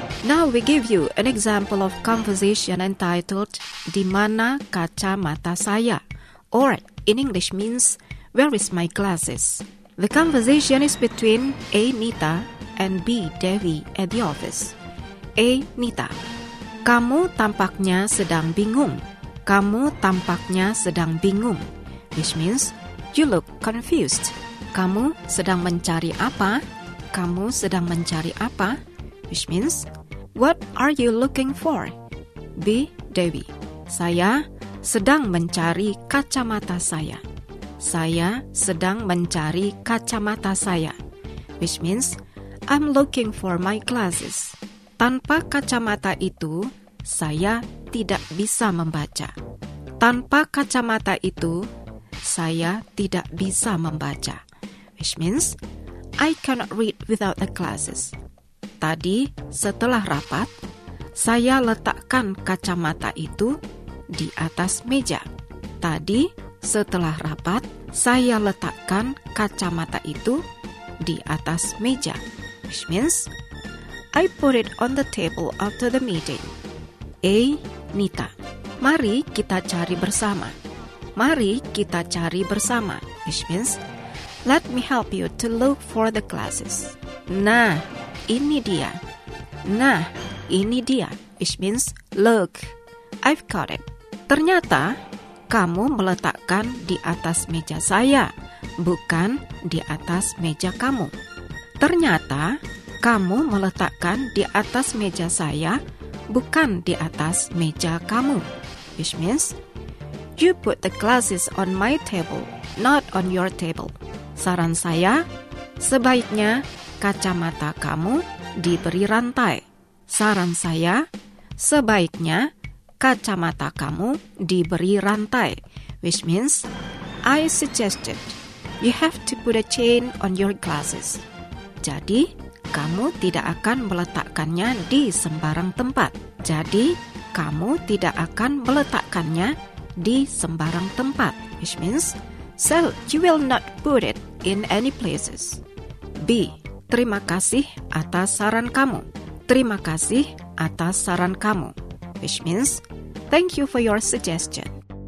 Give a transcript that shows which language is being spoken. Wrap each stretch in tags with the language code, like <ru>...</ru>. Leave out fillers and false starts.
<en>Now we give you an example of conversation entitled</en> <id>Di Mana Kacamata Saya?</id> <en>Or in English means Where is my glasses? The conversation is between A. Nita and B. Devi at the office. A. Nita.</en> <id>Kamu tampaknya sedang bingung. Kamu tampaknya sedang bingung.</id> <en>Which means you look confused.</en> <id>Kamu sedang mencari apa? Kamu sedang mencari apa?</id> <en>Which means What are you looking for?</en> <id>B. Devi. Saya sedang mencari kacamata saya. Saya sedang mencari kacamata saya.</id> <en>Which means, I'm looking for my glasses.</en> <id>Tanpa kacamata itu, saya tidak bisa membaca. Tanpa kacamata itu, saya tidak bisa membaca.</id> <en>Which means, I cannot read without the glasses.</en> <id>Tadi, setelah rapat, saya letakkan kacamata itu di atas meja. Tadi, setelah rapat, saya letakkan kacamata itu di atas meja.</id> <en>Which means, I put it on the table after the meeting.</en> <id>A. Nita. Mari kita cari bersama. Mari kita cari bersama.</id> <en>Which means, let me help you to look for the glasses.</en> <id>Nah, ini dia. Nah, ini dia.</id> <en>Which means, look, I've got it.</en> <id>Ternyata, kamu meletakkan di atas meja saya, bukan di atas meja kamu. Ternyata, kamu meletakkan di atas meja saya, bukan di atas meja kamu.</id> <en>Which means, you put the glasses on my table, not on your table.</en> <id>Saran saya, sebaiknya kacamata kamu diberi rantai. Saran saya, sebaiknya kacamata kamu diberi rantai.</id> <en>Which means, I suggested you have to put a chain on your glasses.</en> <id>Jadi, kamu tidak akan meletakkannya di sembarang tempat. Jadi, kamu tidak akan meletakkannya di sembarang tempat.</id> <en>Which means, so you will not put it in any places. B.</en> <id>Terima kasih atas saran kamu. Terima kasih atas saran kamu.</id> <en>Which means, thank you for your suggestion.</en>